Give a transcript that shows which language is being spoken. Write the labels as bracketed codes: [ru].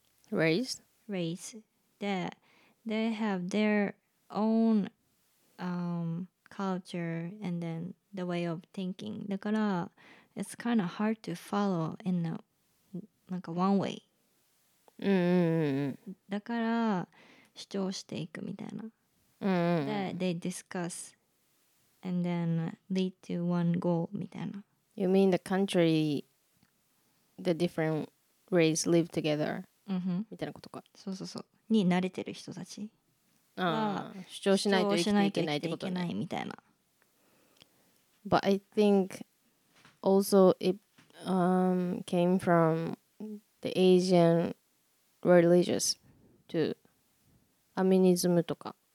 [en] race that they have their own culture and then the way of thinking. [ja] だから [en] it's kind of hard to follow in the, like one way. [ja] だから主張していくみたいな。 [en] That they discuss and then lead to one goal [ja] みたいな。 [en] You mean the country, the different race live together? [ja] みたいなことか。そうそうそう。に慣れてる人たち。ああ主張しないと生きていけないってこと、ね、いけないみたいな。 [en] But I think also it came from the Asian religious to [ja] アミニズムとか。